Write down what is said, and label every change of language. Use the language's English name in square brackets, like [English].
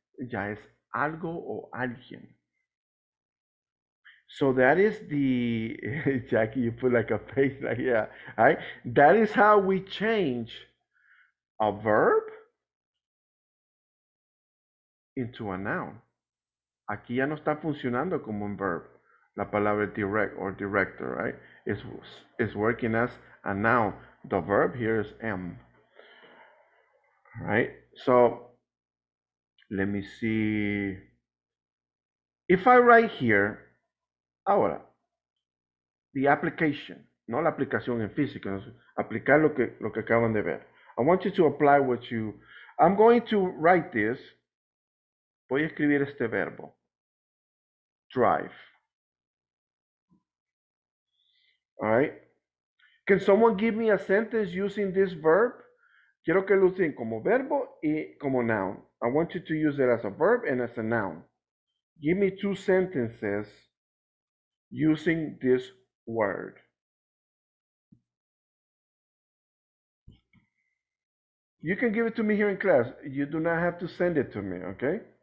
[Spanish] Ya es algo o alguien. [English] So that is the, Jackie, you put like a face, like, yeah, right? That is how we change a verb into a noun. [Spanish] Aquí ya no está funcionando como un verb. La palabra [English] direct or director, right? It's working as a noun. The verb here is am. Right? So, let me see. If I write here, [Spanish] ahora, [English] the application, [Spanish] no la aplicación en física, aplicar lo que acaban de ver. [English] I want you to apply what you, I'm going to write this, [Spanish] voy a escribir este verbo, [English] drive. All right, can someone give me a sentence using this verb? [Spanish] Quiero que lo usen como verbo y como noun. [English] I want you to use it as a verb and as a noun. Give me two sentences using this word. You can give it to me here in class. You do not have to send it to me, okay?